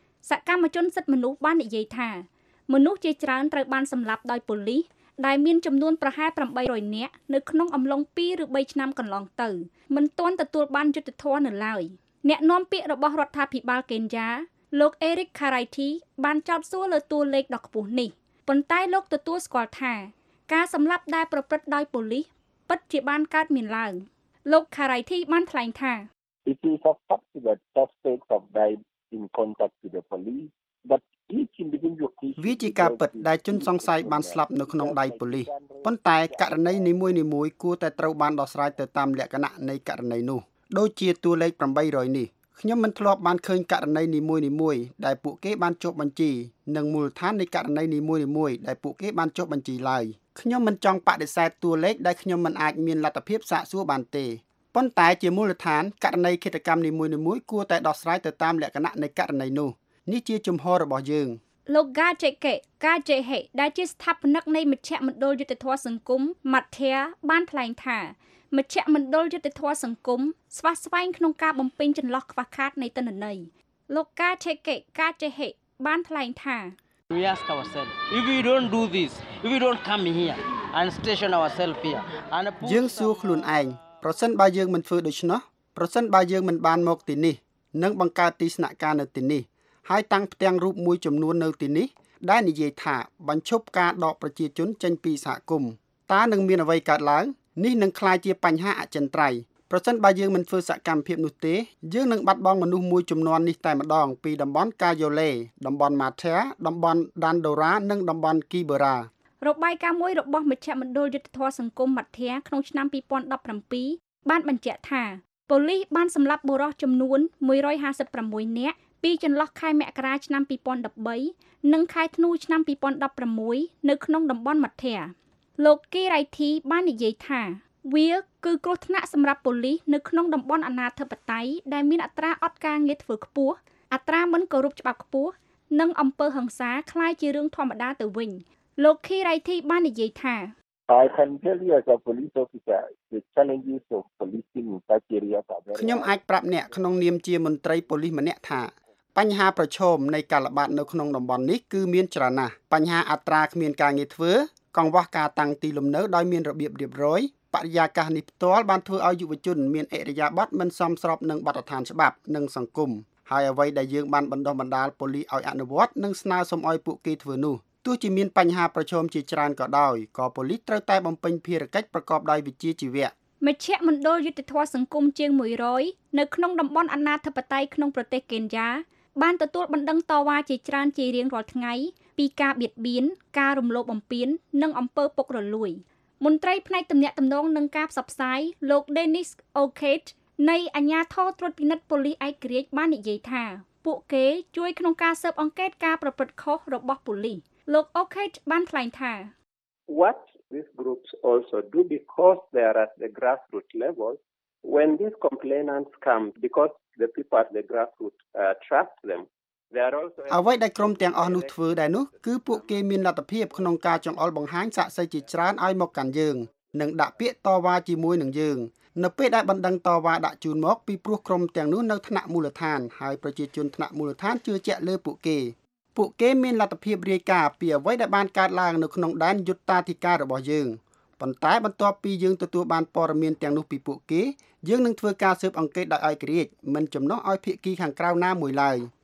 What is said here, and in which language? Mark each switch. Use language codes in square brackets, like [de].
[km] សកម្មជនសិទ្ធិមនុស្សបាននិយាយថាមនុស្សជាច្រើនត្រូវបានសម្លាប់ដោយប៉ូលីសដែលមានចំនួនប្រហែល800នាក់នៅក្នុងអំឡុង2ឬ3ឆ្នាំកន្លងទៅមិនទាន់ទទួលបានយុត្តិធម៌នៅឡើយអ្នកនាំពាក្យរបស់រដ្ឋាភិបាលកេនយ៉ាលោកអេរិកខារ៉ៃធីបានចោទសួរលើតួលេខដ៏ខ្ពស់នេះប៉ុន្តែលោកទទួលស្គាល់ថាការសម្លាប់ដែលប្រព្រឹត្តដោយប៉ូលីសពិតជាបានកើតមានឡើងលោកខារ៉ៃធីបានថ្លែងថា [en] It is a possible suspect of died in contact with the police but [km] វាជាការពិតដែលជនសង្ស័យបានស្លាប់នៅក្នុងដៃប៉ូលីសប៉ុន្តែករណីនីមួយនីមួយគួរតែត្រូវបានដោះស្រាយទៅតាមលក្ខណៈនៃករណីនោះដូចជាតួលេខ800នេះខ្ញុំមិនធ្លាប់បានឃើញករណីនីមួយនីមួយដែលពួកគេបានចុះបញ្ជីនិងមូលដ្ឋាននៃករណីនីមួយនីមួយដែលពួកគេបានចុះបញ្ជីឡើយខ្ញុំមិនចង់បដិសេធតួលេខដែលខ្ញុំមិនអាចមានលទ្ធភាពសាកសួរបានទេប៉ុន្តែជាមូលដ្ឋានករណីឃាតកម្មនីមួយនីមួយគួរតែដោះស្រាយទៅតាមលក្ខណៈនៃករណីនោះនេះជាជំហររបស់យើង លោកកាជេកេកាជេហេដែលជាស្ថាបនិកនៃមជ្ឈមណ្ឌលយុត្តិធម៌សង្គមម៉ាត់ធៀបានថ្លែងថាមជ្ឈមណ្ឌលយុត្តិធម៌សង្គមស្វះស្វែងក្នុងការបំពេញចន្លោះខ្វះខាតនៃទិន្នន័យលោកកាជេកេកាជេហេបានថ្លែងថា [en] We ask ourselves if we don't do this if we don't come here and station ourselves here and [km] យើងសួរខ្លួនឯងប្រសិនបើយើងមិនធ្វើដូច្នោះប្រសិនបើយើងមិនបានមកទីនេះនិងបង្កើតទីស្នាក់ការនៅទីនេះហើយតាំងផ្ទាំងរូបមួយចំនួននៅទីនេះដែលនិយាយថាបញ្ឈប់ការដកប្រជាជនចេញពីសហគមន៍តើនឹងមានអ្វីកើតឡើងនេះនឹងក្លាយជាបញ្ហាអចិន្ត្រៃយ៍ប្រសិនបើយើងមិនធ្វើសកម្មភាពនោះទេយើងនឹងបាត់បង់មនុស្សមួយចំនួននេះតែម្ដងពីតំបន់កាយូឡេតំបន់ម៉ាធែតំបន់ដាន់ដូរ៉ានិងតំបន់គីបារ៉ារ បាយការណ៍មួយរបស់មជ្ឈមណ្ឌលយុត្តិធម៌សង្គមម៉ាធែក្នុងឆ្នាំ2017បានបញ្ជាក់ថាប៉ូលីសបានសម្លាប់បុរសចំនួន156 នាក់ពីចន្លោះខែមករាឆ្នាំ2013និងខែធ្នូឆ្នាំ2016នៅក្នុងតំបន់មាត់ធាលោកគីរ៉ៃធីបាននិយាយថាវាគឺគ្រោះថ្នាក់សម្រាប់ប៉ូលីសនៅក្នុងតំបន់អាណាធិបតេយ្យដែលមានអត្រាអត់ការងារធ្វើខ្ពស់អត្រាមិនគោរពច្បាប់ខ្ពស់និងអំពើហិង្សាคล้ายជារឿងធម្មតាទៅវិញលោកគីរ៉ៃធីបាននិយាយថា [en] I can tell you as a police officer the challenges of policing in that area are very [km] ខ្ញុំអាចប្រាប់អ្នកក្នុងនាមជាមន្ត្រីប៉ូលីសម្នាក់ថាបញ្ហាប្រឈមនៃការល្បាតនៅក្នុងតំបន់នេះគឺមានច្រើនណាស់បញ្ហាអត្រាគ្មានការងារធ្វើកង្វះការតាំងទីលំនៅដោយមានរបៀបរៀបរយ បរិយាកាសនេះផ្ទាល់បានធ្វើឲ្យយុវជនមានអរិយាប័ត្រមិនសមស្របនឹងបទដ្ឋានច្បាប់និងសង្គមហើយអ្វីដែលយើងបានបណ្ដុះបណ្ដាលប៉ូលីសឲ្យអនុវត្តនិងស្នើសុំឲ្យពួកគេធ្វើនោះទោះជាមានបញ្ហាប្រឈមជាច្រើនក៏ដោយក៏ប៉ូលីសត្រូវតែបំពេញភារកិច្ចប្រកបដោយវិជ្ជាជីវៈ មជ្ឈមណ្ឌលយុតិធម៌សង្គមជាង100នៅក្នុងតំបន់អនាធិបតេយ្យក្នុងប្រទេសកេនយ៉ាបានទទួលបណ្ដឹងតវ៉ាជាច្រើនជារៀងរាល់ថ្ងៃពីការបៀតបៀនការរំលោភបំពាននិងអំពើពុករលួយមន្ត្រីផ្នែកទំនាក់ទំនងនិងការផ្សព្វផ្សាយលោក Dennis O'Kate នៃអាជ្ញាធរត្រួតពិនិត្យប៉ូលីសឯករាជ្យបាននិយាយថាពួកគេជួយក្នុងការស៊ើបអង្កេតការប្រព្រឹត្តខុសរបស់ប៉ូលីសលោក O'Kate បានថ្លែងថា [en] What these groups also do because they are at the grassroots level when these complainants come because the people at the grassroots trust them [km] អ្វីដែលក្រុមទាំងអស់នោះធ្វើដែរនោះគឺពួកគេមានលទ្ធភាពក្នុងការចងអល់បង្ហាញសាក់សីជាច្រើនឲ្យមកកាន់យើងនិងដាក់ពាក្យតវ៉ាជាមួយនឹងយើងនៅពេលដែលបណ្ដឹងតវ៉ាដាក់ជូនមកពីព្រោះក្រុមទាំងនោះនៅថ្នាក់មូលដ្ឋានហើយប្រជាជនថ្នាក់មូលដ្ឋានជឿជាក់លើពួកគេពួកគេមានលទ្ធភាពរាយការណ៍ពីអ្វីដែលបានកើតឡើងនៅក្នុងដែនយុត្តាធិការរបស់យើងប៉ុន្តែបន្ទាប់ពីយើងទទួលបានព័ត៌មានទាំងនោះពីពួកគេយើងនឹងធ្វើការស៊ើបអង្កេតដោយឯករាជ្យមិនចំណុះឲ្យភាគីខាងក្រៅណាមួយឡើយ